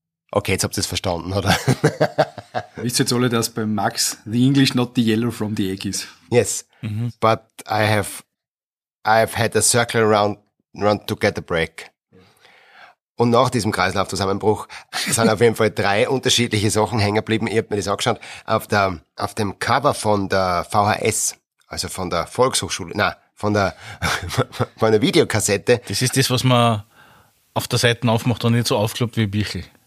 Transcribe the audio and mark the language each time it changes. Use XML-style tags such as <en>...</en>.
<de>Okay, jetzt habt ihr es verstanden, oder? Wisst ihr jetzt alle, dass bei Max</de> <en>the English not the yellow from the egg</en> <de>is?</de> <en>Yes, but I have had a circle around to get a break.</en> <de>Und nach diesem Kreislaufzusammenbruch sind auf jeden Fall drei unterschiedliche Sachen hängen geblieben. Ihr habt mir das auch geschaut. Auf dem Cover von der VHS, also von der Volkshochschule, von der Videokassette. Das ist das, was man auf der Seite aufmacht und nicht so aufklappt wie Bichl.</de>